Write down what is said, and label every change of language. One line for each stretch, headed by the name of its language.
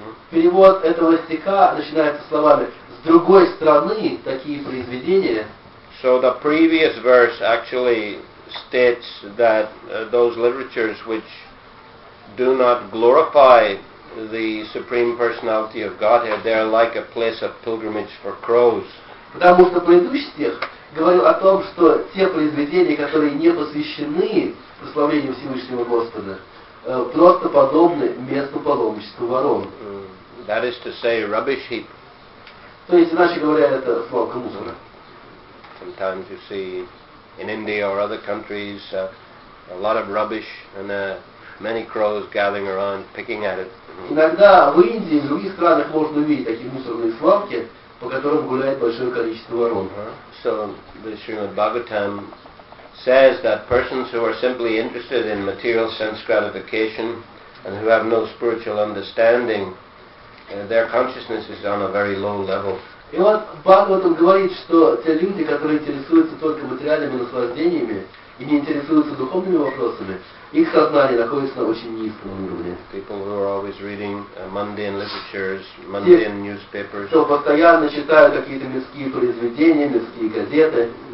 Russian: Перевод этого стиха начинается словами: с другой стороны, такие произведения.
English: So the previous verse actually states that those literatures which do not glorify the Supreme Personality of Godhead, they are like a place of pilgrimage for crows.
Russian: Потому что предыдущий стих говорил о том, что те произведения, которые не посвящены прославлению Всевышнего Господа, просто подобны месту паломничества ворон.
English: That is to say, rubbish heap.
Russian: То есть, иначе говоря, это свалка мусора.
English: Sometimes you see in India or other countries a lot of rubbish and many crows gathering around picking at it.
Russian: Иногда в Индии и других странах можно увидеть такие мусорные свалки, по которым гуляет большое количество ворон.
English: So the Srimad Bhagavatam says that persons who are simply interested in material sense gratification and who have no spiritual understanding, their consciousness is on a very low level.
Russian: И вот Бхагаватам говорит, что те люди, которые интересуются только материальными наслаждениями, и не интересуются духовными вопросами, их сознание находится на очень низком уровне.
English: People who are always reading mundane literatures, mundane newspapers.
Russian: Те, кто постоянно читают какие-то мирские произведения, мирские газеты.